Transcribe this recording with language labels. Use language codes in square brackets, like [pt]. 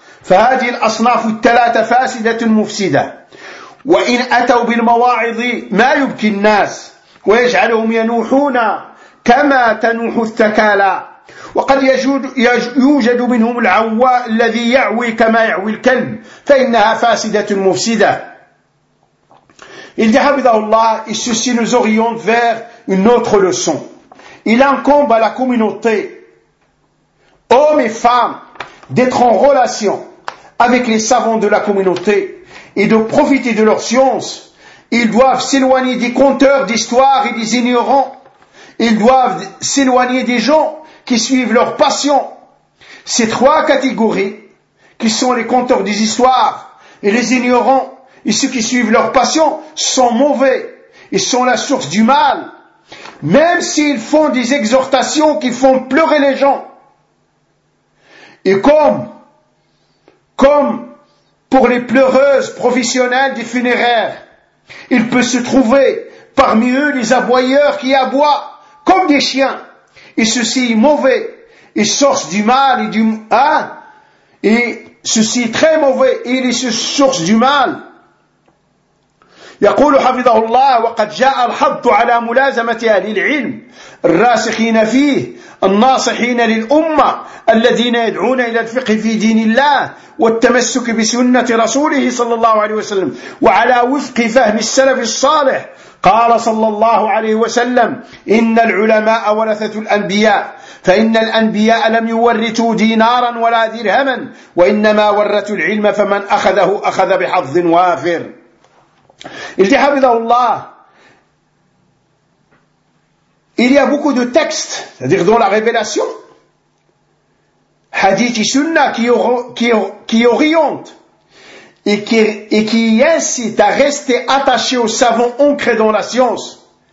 [ar] فهذه الأصناف الثلاثة فاسدة مفسدة، وإن أتوا بالمواعظ ما يبكي الناس ويجعلهم ينوحون كما تنوح الثكالى، وقد يوجد منهم العواء الذي يعوي كما يعوي الكلب، فإنها فاسدة مفسدة. [fr] Il dit, [ar] حفظه الله, [fr] et ceci nous oriente vers une autre leçon. Il incombe à la communauté, hommes et femmes, d'être en relation avec les savants de la communauté et de profiter de leur science. Ils doivent s'éloigner des conteurs d'histoire et des ignorants. Ils doivent s'éloigner des gens qui suivent leur passion. Ces trois catégories, qui sont les conteurs des histoires et les ignorants et ceux qui suivent leur passion, sont mauvais et sont la source du mal. Même s'ils font des exhortations qui font pleurer les gens. Et comme pour les pleureuses professionnelles des funéraires, il peut se trouver parmi eux les aboyeurs qui aboient comme des chiens. Et ceci est mauvais, et source du mal, et du et ceci est très mauvais, et il est source du mal. [ar] يقول حفظه الله: وقد جاء الحض على ملازمة أهل العلم الراسخين فيه الناصحين للأمة الذين يدعون إلى الفقه في دين الله والتمسك بسنة رسوله صلى الله عليه وسلم وعلى وفق فهم السلف الصالح. قال صلى الله عليه وسلم: إن العلماء ورثة الأنبياء، فإن الأنبياء لم يورثوا دينارا ولا درهما، وإنما ورثوا العلم، فمن أخذه أخذ بحظ وافر. إلتي حفظه الله. [fr] Il y a beaucoup de textes, c'est-à-dire dans la révélation, hadith et sunna, qui orientent et qui incitent à rester attachés au savant ancré dans la science.